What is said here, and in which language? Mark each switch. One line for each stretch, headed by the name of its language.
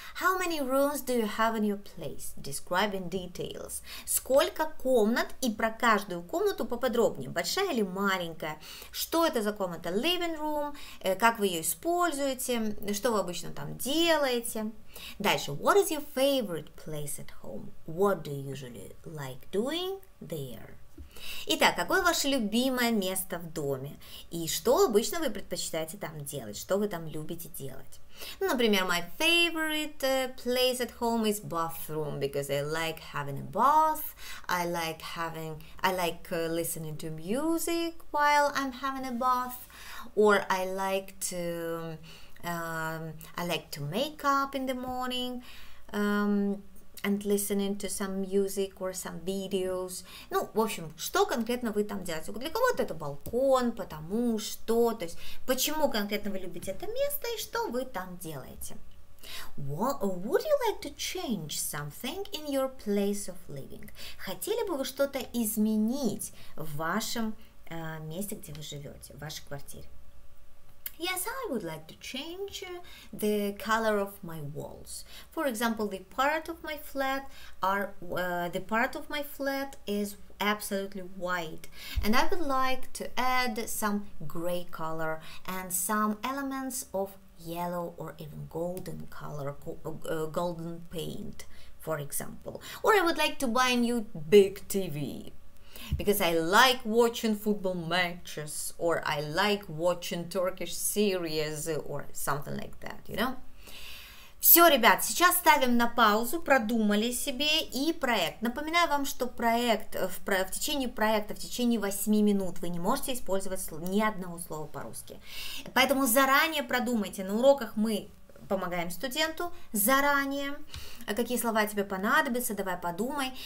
English: How many rooms do you have in your place? Describe in details.
Russian: Сколько комнат и про каждую комнату поподробнее, большая или маленькая? Что это за комната?
English: Living room.
Russian: Как вы ее используете? Что вы обычно там делаете? Дальше.
English: What is your favorite place at home? What do you usually like doing there?
Russian: Итак, какое ваше любимое место в доме? И что обычно вы предпочитаете там делать? Что вы там любите делать? Ну, например,
English: my favorite place at home is bathroom, because I like having a bath, I like listening to music while I'm having a bath, or I like to make up in the morning, and listening to some music or some videos.
Russian: Ну, в общем, что конкретно вы там делаете? Для кого-то это балкон, потому что, то есть, почему конкретно вы любите это место и что вы там делаете?
English: Would you like to change something in your place of living?
Russian: Хотели бы вы что-то изменить в вашем месте, где вы живете, в вашей квартире?
English: Yes, I would like to change the color of my walls. For example, the part of my flat is absolutely white, and I would like to add some gray color and some elements of yellow or even golden color, golden paint, for example. Or I would like to buy a new big TV. Because I like watching football matches, or I like watching Turkish series, or something like that, you know?
Russian: Все, ребят, сейчас ставим на паузу, продумали себе и проект. Напоминаю вам, что проект в течение проекта, в течение 8 минут вы не можете использовать ни одного слова по-русски. Поэтому заранее продумайте, на уроках мы помогаем студенту заранее, какие слова тебе понадобятся, давай подумай.